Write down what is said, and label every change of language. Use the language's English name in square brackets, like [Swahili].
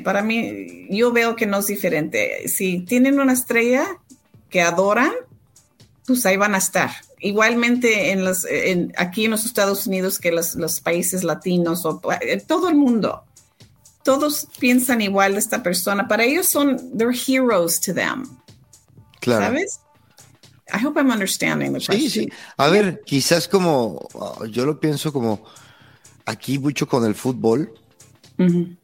[Spanish] Para mí, yo veo que no es diferente. Si tienen una estrella que adoran, pues ahí van a estar. Igualmente aquí en los Estados Unidos que los países latinos, o todo el mundo. Todos piensan igual de esta persona. Para ellos son, [English] they're heroes to them. [Spanish] Claro. ¿Sabes? [English] I hope I'm understanding the question. [Spanish] Sí, sí. A ver, quizás como yo lo pienso como aquí mucho con el fútbol, uh-huh.